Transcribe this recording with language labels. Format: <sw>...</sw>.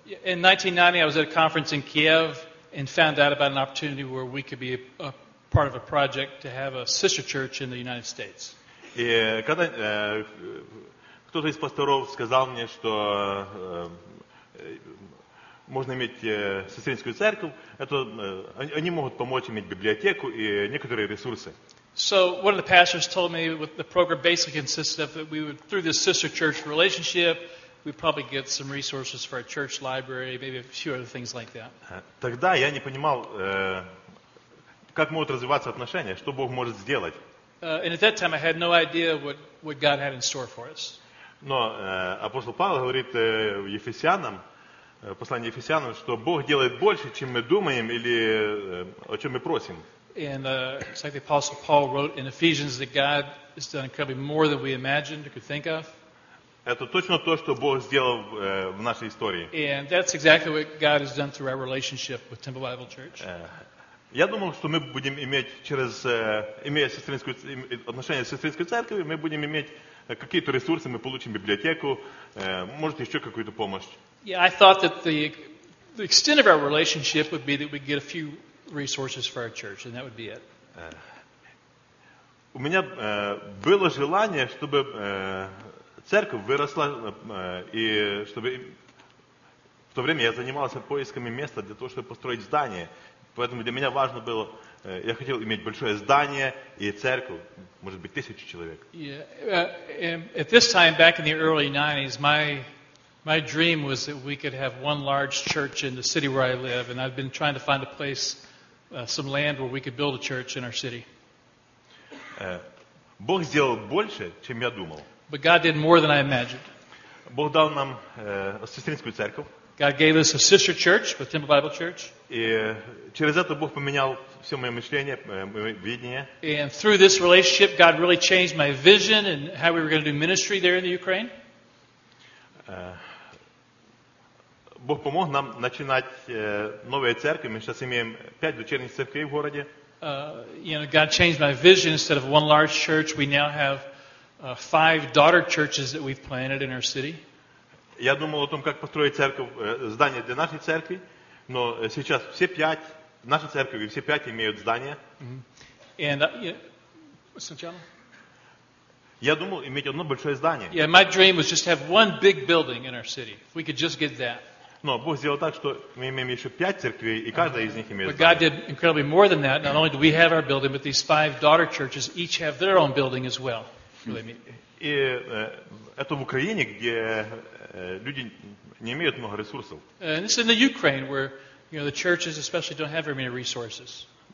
<en>In 1990, I was at a conference in Kiev and found out about an opportunity where we could be a part of a project to have a sister church in the United States.</en> <ru>И когда кто-то из пасторов сказал мне, что можно иметь сестринскую церковь, это они могут помочь иметь библиотеку и некоторые ресурсы.</ru> <en>So one of the pastors told me what the program basically consisted of, that we would, through this sister church relationship, we'd probably get some resources for our church library, maybe a few other things like that.</en> <ru>Тогда я не понимал, как могут развиваться отношения, что Бог может сделать.</ru> <en>And at that time I had no idea what God had in store for us.</en> <ru>Но апостол Павел говорит Ефесянам, послание Ефесянам, что Бог делает больше, чем мы думаем или о чем мы просим.</ru> <en>And it's like the Apostle Paul wrote in Ephesians that God has done incredibly more than we imagined or could think of.</en> <ru>Это точно то, что Бог сделал в нашей истории.</ru> <en>And that's exactly what God has done through our relationship with Temple Bible Church.</en> <ru>Я думал, что мы будем иметь через имея сестринскую отношение с сестринской церковью, мы будем иметь какие-то ресурсы, мы получим библиотеку, может еще какую-то помощь.</ru> <en>Yeah, I thought that the extent of our relationship would be that we'd get a few resources for our church, and that would be it.</en> <ru>У меня было желание, чтобы церковь выросла, и чтобы в то время я занимался поисками места для того, чтобы построить здание. Поэтому для меня важно было, я хотел иметь большое здание и церковь, может быть, тысячу человек.</ru> <en>At this time, back in the early 90s, my dream was that we could have one large church in the city where I live, and I've been trying to find a place, some land where we could build a church in our city.</en> <ru>Бог сделал больше, чем я думал.</ru> <en>But God did more than I imagined.</en> <ru>Бог дал нам сестринскую церковь.</ru> <en>God gave us a sister church, the Temple Bible Church.</en> <ru>И через это Бог поменял все мое мышление, мое видение.</ru> <en>And through this relationship, God really changed my vision and how we were going to do ministry there in the Ukraine.</en> <ru>Бог помог нам начинать новые церкви. Мы сейчас имеем 5 дочерних церквей в городе.</ru> <en>God changed my vision. Instead of one large church, we now have 5 daughter churches that we've planted in our city.</en> <ru>Я думал о том, как построить церковь, здание для нашей церкви, но сейчас все 5 наши церкви, все 5 имеют здание.</ru> <en>And</en> <ru>сначала. Я думал иметь одно большое здание.</ru> <en>Yeah, my dream was just to have one big building in our city. If we could just get that.</en> <ru>Но Бог сделал так, что мы имеем еще 5 церквей, и каждая из них имеет здание.</ru> <en>But God did incredibly more than that. Not only do we have our building, but these 5 daughter churches each have their own building as well.</en> <ru>И это в Украине, где люди не имеют много ресурсов.</ru> <en>And it's in the Ukraine where, you know, the churches especially don't have very many resources.</en>